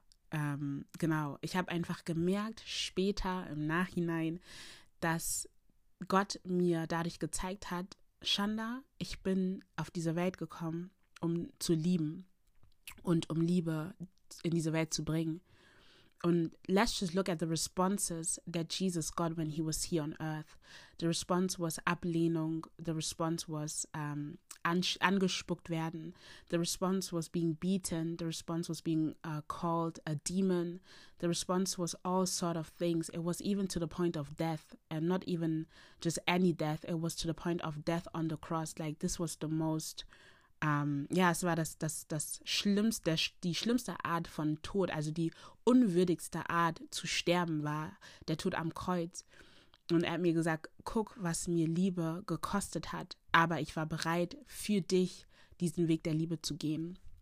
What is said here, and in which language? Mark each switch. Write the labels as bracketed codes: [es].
[de] Genau, ich habe einfach gemerkt, später im Nachhinein, dass Gott mir dadurch gezeigt hat, Shanda, ich bin auf diese Welt gekommen, um zu lieben und um Liebe in diese Welt zu bringen. [en] Und let's just look at the responses that Jesus got when he was here on earth. The response was [de] Ablehnung. [en] The response was [de] angespuckt werden. [en] The response was being beaten. The response was being called a demon. The response was all sort of things. It was even to the point of death, and not even just any death. It was to the point of death on the cross. Like, this was the most... [de] es war das Schlimmste, die schlimmste Art von Tod, also die unwürdigste Art zu sterben war der Tod am Kreuz. Und er hat mir gesagt, guck, was mir Liebe gekostet hat, aber ich war bereit, für dich diesen Weg der Liebe zu gehen.